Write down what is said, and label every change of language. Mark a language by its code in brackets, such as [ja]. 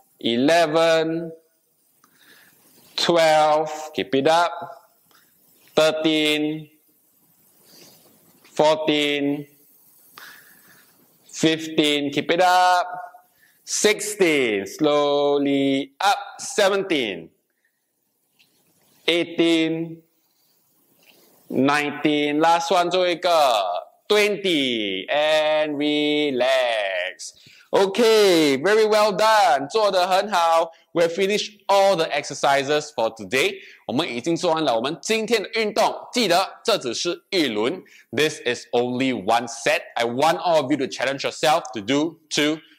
[en] 11,12, keep it up, 13, 14, 15, keep it up, 16, slowly up, 17, 18, 19, last one, [zh] 最后一个 [en] 20, and relax. Okay, very well done, [zh] 做得很好。 [en] We have finished all the exercises for today. [zh] 我们已经做完了我们今天的运动。记得这只是一轮。 [en] This is only one set. I want all of you to challenge yourself to do two